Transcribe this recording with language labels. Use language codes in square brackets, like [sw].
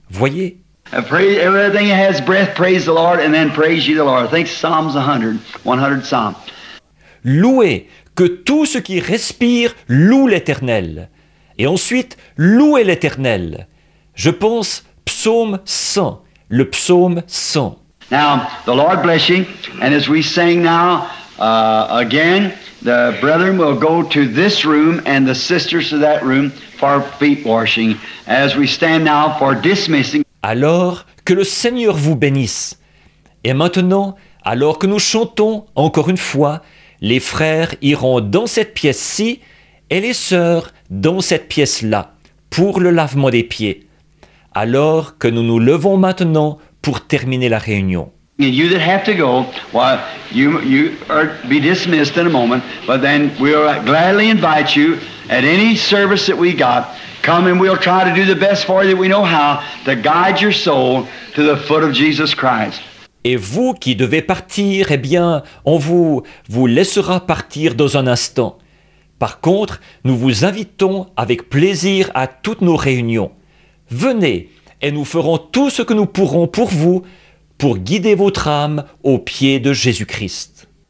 [fr] Voyez? [en] Everything has breath, praise the Lord, and then praise ye the Lord. I think Psalms 100 Psalms. [fr] Louez, que tout ce qui respire loue l'Éternel. Et ensuite, louez l'Éternel. Je pense psaume 100, le psaume 100. [en] Now, the Lord bless you. And as we sing now, again, the brethren will go to this room and the sisters to that room for feet washing. As we stand now for dismissing. [fr] Alors, que le Seigneur vous bénisse. Et maintenant, alors que nous chantons encore une fois, les frères iront dans cette pièce-ci et les sœurs dans cette pièce-là, pour le lavement des pieds. Alors que nous nous levons maintenant pour terminer la réunion. [en] And you that have to go, well, you are be dismissed in a moment, but then we'll gladly invite you at any service that we got. Come and we'll try to do the best for you that we know how to guide your soul to the foot of Jesus Christ. [fr] Et vous qui devez partir, eh bien, on vous laissera partir dans un instant. Par contre, nous vous invitons avec plaisir à toutes nos réunions. Venez et nous ferons tout ce que nous pourrons pour vous, pour guider votre âme aux pieds de Jésus-Christ.